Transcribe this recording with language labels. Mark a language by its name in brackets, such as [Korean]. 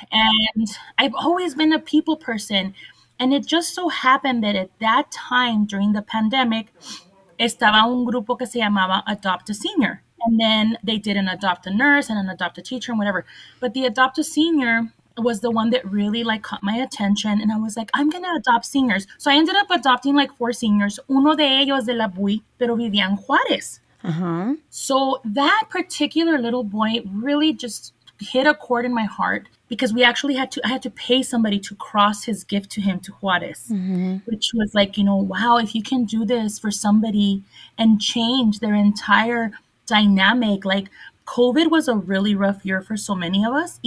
[English] And I've always been a people person. And it just so happened that at that time during the pandemic, [Spanish] estaba un grupo que se llamaba [English] Adopt a Senior. And then they did an Adopt a Nurse and an Adopt a Teacher and whatever. But the Adopt a Senior was the one that really like caught my attention. And I was like, I'm going to adopt seniors. So I ended up adopting like 4 seniors. [Spanish] Uno de ellos de la Bui, pero vivía en Juárez. Uh-huh. [English] So that particular little boy really just hit a chord in my heart. Because we actually I had to pay somebody to cross his gift to him to Juarez, mm-hmm. which was like, you know, wow, if you can do this for somebody and change their entire dynamic, like COVID was a really rough year for so many of us.